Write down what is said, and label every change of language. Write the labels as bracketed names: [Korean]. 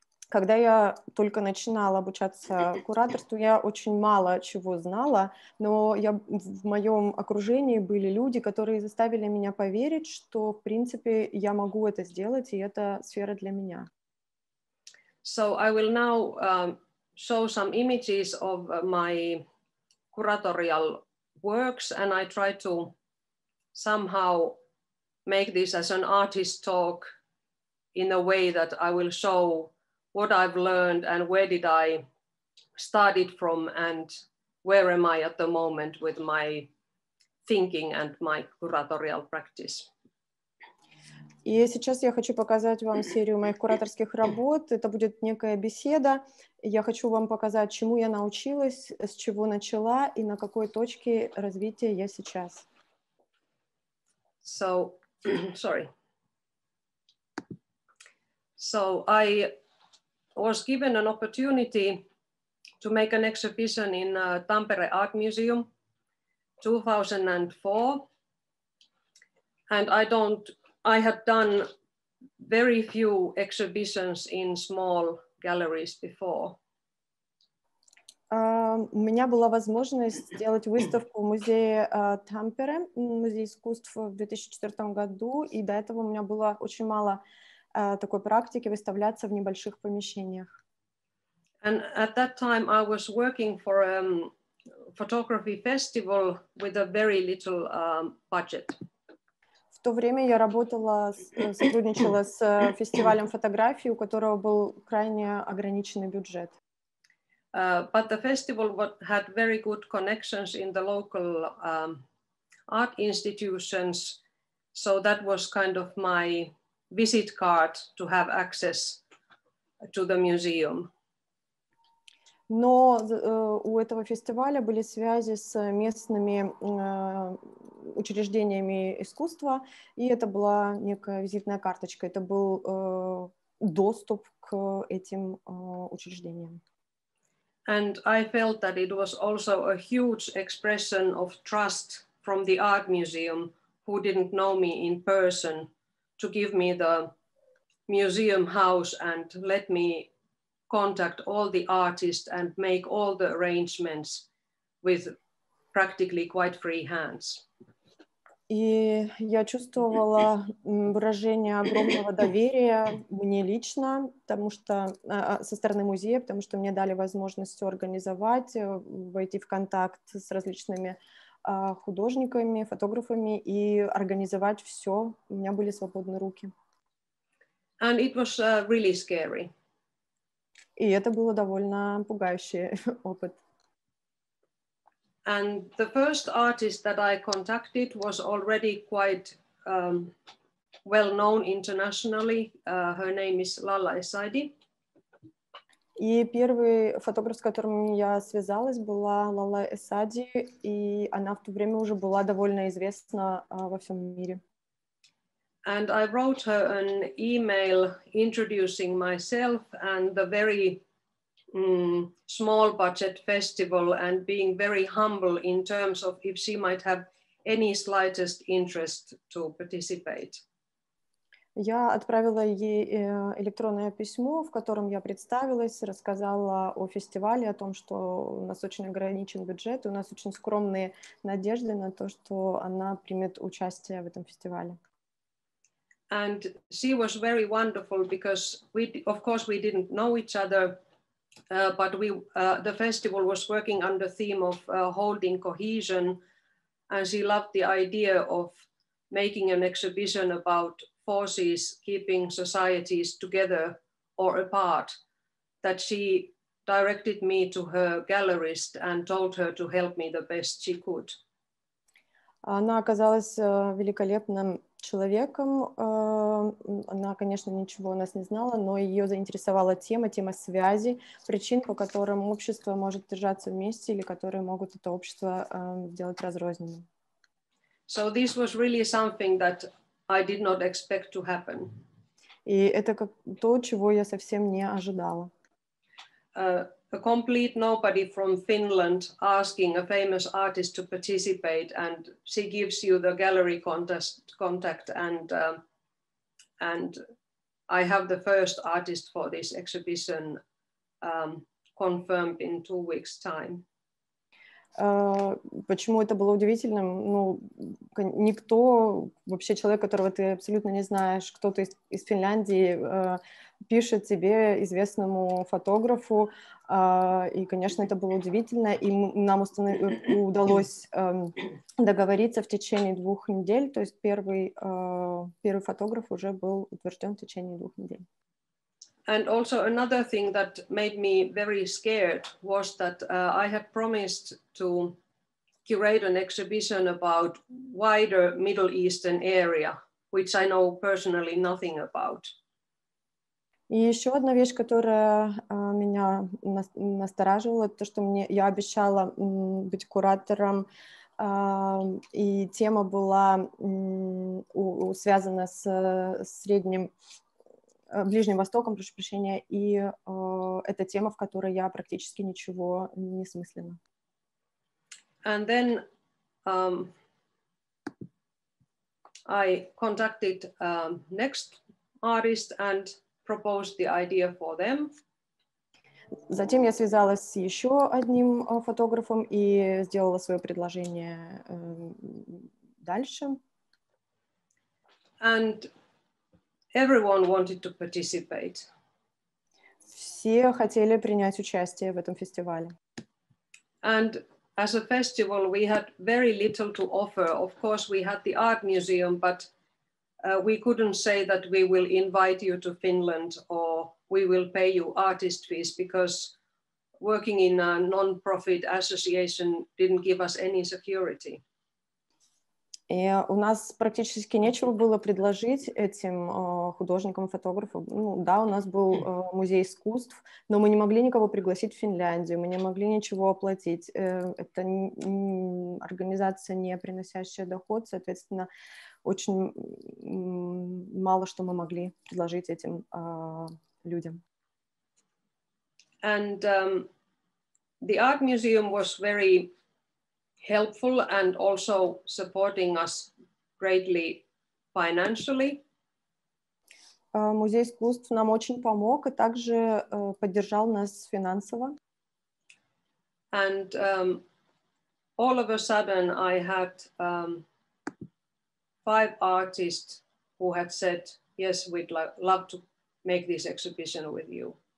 [Russian] Когда я только начинала обучаться кураторству, я очень мало чего знала, но в моем окружении были люди, которые заставили меня поверить, что, в принципе, я могу это сделать, и это сфера для меня. [English] So I will now show some images of my curatorial works, and I try to somehow make this as an artist talk in a way that I will show what I've learned and where did I start it from and where am I at the moment with my thinking and my curatorial practice. [Russian] И сейчас я хочу показать вам серию моих кураторских работ. Это будет некая беседа. Я хочу вам показать, чему я научилась, с чего начала и на какой точке развития я сейчас. [English] So, sorry. So I was given an opportunity to make an exhibition in Tampere Art Museum 2004. And I had done very few exhibitions in small galleries before. [Russian] У меня была возможность сделать выставку в музее Тампере, музей искусств в 2004 году, и до этого у меня было очень мало такой практики выставляться в небольших помещениях. [English] And at that time I was working for a photography festival with a very little budget. [Russian] В то время я работала, сотрудничала с фестивалем фотографии, у которого был крайне ограниченный бюджет. [English] But the festival had very good connections in the local art institutions, so that was kind of my visit card to have access to the museum. [Russian] Но у этого фестиваля были связи с местными учреждениями искусства, и это была некая визитная карточка, это был доступ к этим учреждениям. [English] And I felt that it was also a huge expression of trust from the art museum, who didn't know me in person, to give me the museum house and let me contact all the artists and make all the arrangements with practically quite free hands. [Russian] И я чувствовала выражение огромного доверия мне лично, потому что со стороны музея, потому что мне дали возможность организовать, войти в контакт с различными художниками, фотографами и организовать все. У меня были свободные руки. [English] And it was really scary. [Russian] И это было довольно пугающий опыт. [English] And the first artist that I contacted was already quite well known internationally. Her name is Lala Esaidi. [Russian] И первый фотограф, с которым я связалась, была Лала Эсади, и она в то время уже была довольно известна во всем мире. [English] And I wrote her an email introducing myself and the very small budget festival and being very humble in terms of if she might have any slightest interest to participate. [Russian] Я отправила ей электронное письмо, в котором я представилась, рассказала о фестивале, о том, что у нас очень ограничен бюджет, у нас очень скромные надежды на то, что она примет участие в этом фестивале. [English] And she was very wonderful because we, of course, we didn't know each other. But we, the festival was working under theme of holding cohesion, and she loved the idea of making an exhibition about forces keeping societies together or apart, that she directed me to her gallerist and told her to help me the best she could. [Russian] Она оказалась великолепным человеком. Она, конечно, ничего о нас не знала, но ее заинтересовала тема, тема связи, причин, по которым общество может держаться вместе или которые могут это общество делать разрозненным. [English] So this was really something that I did not expect to happen. [Russian] И это как то, чего я совсем не ожидала. [English] A complete nobody from Finland asking a famous artist to participate, and she gives you the gallery contact, and I have the first artist for this exhibition confirmed in 2 weeks' time. [Russian] Почему это было удивительным? Ну, никто, вообще человек, которого ты абсолютно не знаешь, кто-то из Финляндии, пишет тебе, известному фотографу, и, конечно, это было удивительно, и нам удалось договориться в течение 2 недель, то есть первый фотограф уже был утвержден в течение 2 недель. [English] And also another thing that made me very scared was that I had promised to curate an exhibition about wider Middle Eastern area, which I know personally nothing about. [Russian] И еще одна вещь, которая меня настораживала, то, что мне я обещала быть куратором, и тема была связана с средним Ближним Востоком, прошу прощения, и это тема, в которой я практически ничего не смыслила. [English] And then I contacted next artist and proposed the idea for them. [Russian] Затем я связалась с еще одним фотографом и сделала свое предложение дальше. [English] And everyone wanted to participate. [Russian] Все хотели принять участие в этом фестивале. [English] And as a festival, we had very little to offer. Of course, we had the art museum, but we couldn't say that we will invite you to Finland or we will pay you artist fees because working in a non-profit association didn't give us any security. [Russian] И у нас практически нечего было предложить этим художникам, фотографам. Ну, да, у нас был музей искусств, но мы не могли никого пригласить в Финляндию, мы не могли ничего оплатить. Это организация, не приносящая доход, соответственно, очень мало что мы могли предложить этим людям. [English] And the art museum was very helpful and also supporting us greatly financially. [Russian] Музей искусств нам очень помог и также поддержал нас финансово. [English] And all of a sudden I had five artists who had said, yes, we'd love to make this exhibition with you.